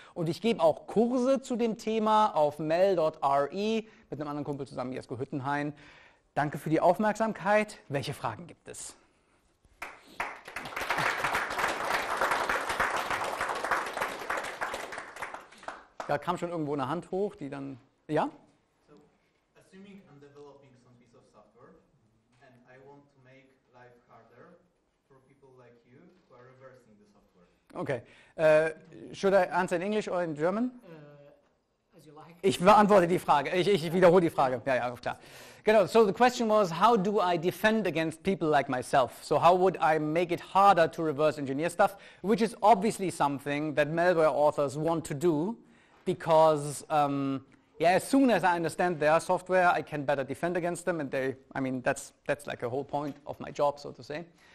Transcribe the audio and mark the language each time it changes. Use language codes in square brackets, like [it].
[de] Und ich gebe auch Kurse zu dem Thema auf mel.re mit einem anderen Kumpel zusammen, Jesko Hüttenhain. Danke für die Aufmerksamkeit. Welche Fragen gibt es? Da kam schon irgendwo eine Hand hoch, die dann... Ja? [en] So, assuming I'm developing some piece of software and I want to make life harder for people like you who are reversing the software. Okay. Should I answer in English or in German? As you like. [de] Ich beantworte die Frage. Ich wiederhole die Frage. Ja, ja, klar. [en] Genau, so the question was, how do I defend against people like myself? So how would I make it harder to reverse engineer stuff? Which is obviously something that malware authors want to do. Because as soon as I understand their software, I can better defend against them. And they, I mean, that's like a whole point of my job, so to say.